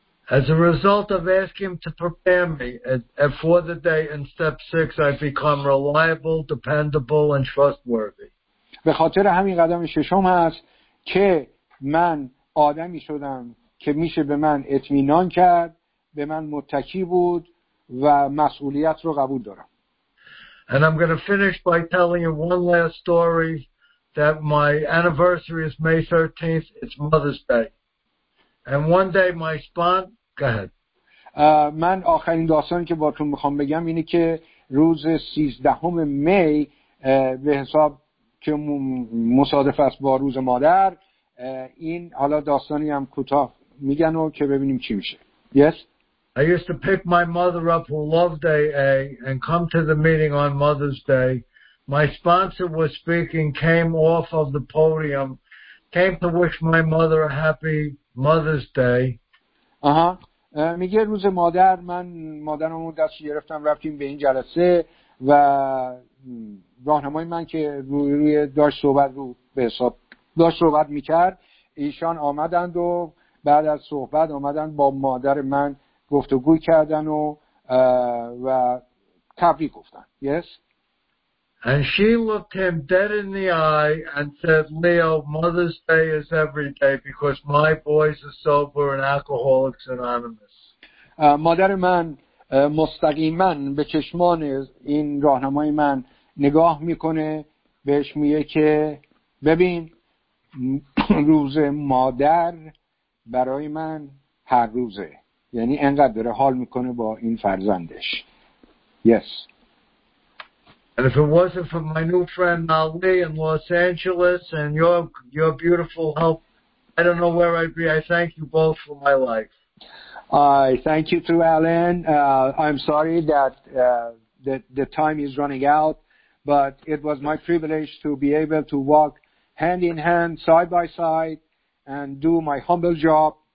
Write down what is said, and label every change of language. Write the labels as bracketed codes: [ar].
[en] As a result of asking to prepare me for the day in step 6, I've become reliable, dependable and trustworthy. [fa] به خاطر همین قدم ششم هست که من آدمی شدم که میشه به من اطمینان کرد، به من متکی بود و مسئولیت رو قبول دارم. [en] And I'm going to finish by telling you one last story that my anniversary is May 13th, it's Mother's Day. And one day my sponsor, go ahead. [fa] من آخرین داستانی که باهاتون میخوام بگم اینه که روز 13 می به حساب که مصادف است با روز مادر، این حالا داستانی هم کوتاه میگن و که ببینیم چی میشه. [en] Yes. I used to pick my mother up who loved AA and come to the meeting on Mother's Day. My sponsor was speaking, came off of the podium, came to wish my mother a happy Mother's Day. [fa] میگه روز مادر من مادرم رو دست گرفتم رفتیم به این جلسه و راهنمای من که روی داشت صحبت رو به حساب داشت صحبت میکرد، ایشان آمدند و بعد از صحبت آمدند با مادر من گفتگو کردن و تبریک گفتند. [en] Yes. And she looked him dead in the eye and said, Leo, Mother's Day is every day because my boys are sober and Alcoholics Anonymous. [fa] مادر من مستقیما به چشمان این راهنمای من نگاه میکنه، بهش میگه که ببین روز مادر برای من هر روزه، یعنی انقدر داره حال میکنه با این فرزندش. [en] Yes. And if it wasn't for my new friend Ali in Los Angeles and your beautiful help, I don't know where I'd be. I thank you both for my life. I thank you too, Alan. I'm sorry that the time is running out, but it was my privilege to be able to walk hand in hand, side by side, and do my humble job.